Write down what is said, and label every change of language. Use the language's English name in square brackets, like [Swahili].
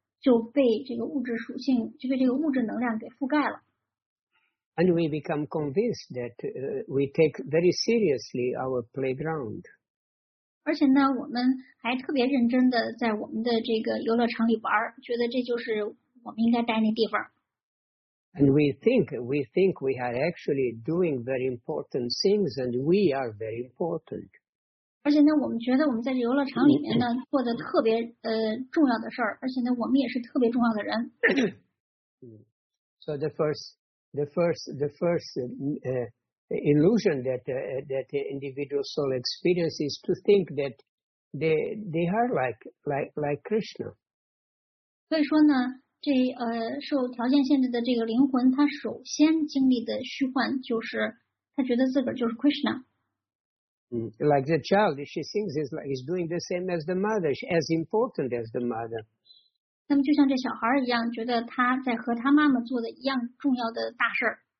[Chinese] 就被这个物质属性，就被这个物质能量给覆盖了。 [English] And we become convinced that we take very seriously our playground. [Chinese] 而且呢，我们还特别认真的在我们的这个游乐场里玩，觉得这就是我们应该待那地方。 [English] And we think we are actually doing very important things, and we are very important. [Chinese] 而且呢，我们觉得我们在这游乐场里面呢，做的特别重要的事儿，而且呢，我们也是特别重要的人。 [English] So the first illusion that individual soul experiences to think that they are like Krishna. [Chinese] 所以说呢，这受条件限制的这个灵魂，他首先经历的虚幻就是他觉得自个儿就是 Krishna。 [English] Like the child, she thinks he's doing the same as the mother, as important as the mother. [Chinese] 那么就像这小孩一样，觉得他在和他妈妈做的一样重要的大事。